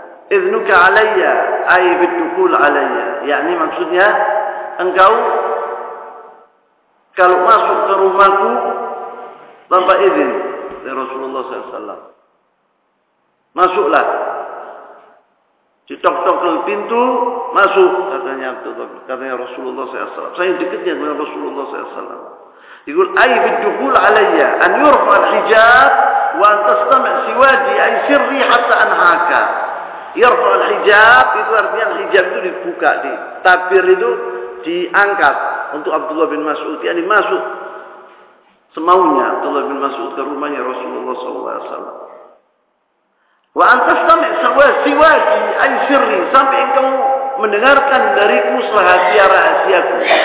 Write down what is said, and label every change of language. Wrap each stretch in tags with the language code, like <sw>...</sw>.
<ar>Idhnuka alaiya. Aibid dukul alaiya.</ar> <id>Yakni maksudnya, engkau, kalau masuk ke rumahku, tanpa izin dari Rasulullah SAW. Masuklah. Ditok-tok ke pintu, masuk. Katanya Rasulullah SAW. Saya dekatnya dengan Rasulullah SAW.</id> <ar>يقول أي بالدخول علي أن يرفع الحجاب وأن تستمع سوادي أي سري حتى أنهاك. يرفع الحجاب</ar> <id>itu artinya hijab itu dibuka, ditabir itu diangkat untuk Abdullah bin Mas'ud, yakni masuk semaunya Abdullah bin Mas'ud ke rumahnya Rasulullah SAW.</id> <ar>وأن تستمع سوادي أي سري,</ar> <id>sampai engkau mendengarkan dariku rahasia-rahasiaku.</id>